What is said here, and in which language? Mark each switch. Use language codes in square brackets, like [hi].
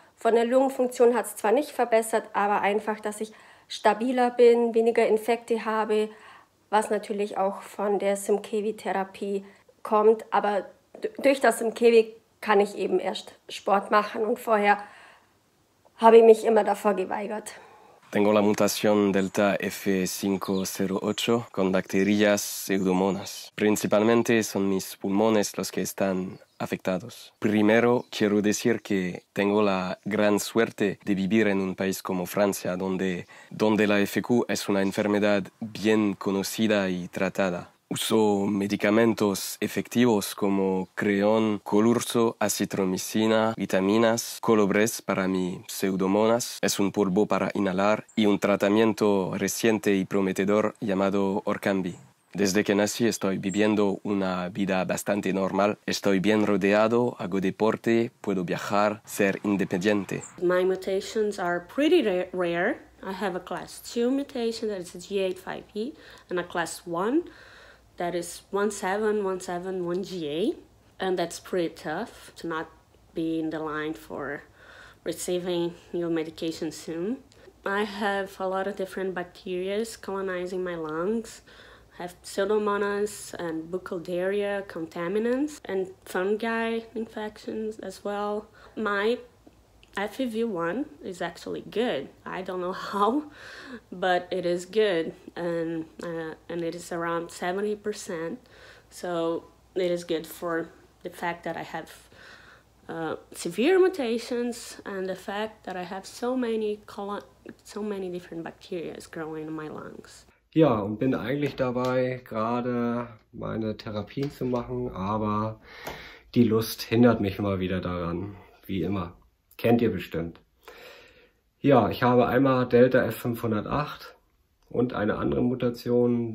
[de] Von der Lungenfunktion hat es zwar nicht verbessert, aber einfach, dass ich stabiler bin, weniger Infekte habe, was natürlich auch von der Symkevi-Therapie kommt. Aber durch das Symkevi kann ich eben erst Sport machen und vorher habe ich mich immer davor geweigert. [es] Tengo la mutación Delta F508 con bacterias pseudomonas. Principalmente son mis pulmones los que están afectados. Primero quiero decir que tengo la gran suerte de vivir en un país como Francia, donde la FQ es una enfermedad bien conocida y tratada. Uso medicamentos efectivos como creón, colurso, acitromicina, vitaminas, colobres para mi pseudomonas, es un polvo para inhalar y un tratamiento reciente y prometedor llamado Orkambi. Desde que nací estoy viviendo una vida bastante normal. Estoy bien rodeado, hago deporte, puedo viajar, ser independiente. [en] My mutations are pretty rare. I have a class 2 mutation, that is a G85E, and a class 1. That is 17171GA, and that's pretty tough to not be in the line for receiving new medication soon. I have a lot of different bacteria colonizing my lungs. I have pseudomonas and bucalderia contaminants and fungi infections as well. My FEV1 is actually good. I don't know how, but it is good, and it is around 70%. So it is good for the fact that I have severe mutations and the fact that I have so many different bacteria growing in my lungs. [de] Ja, und bin eigentlich dabei, gerade meine Therapien zu machen, aber die Lust hindert mich immer wieder daran, wie immer. Kennt ihr bestimmt. Ja, ich habe einmal Delta F508 und eine andere Mutation.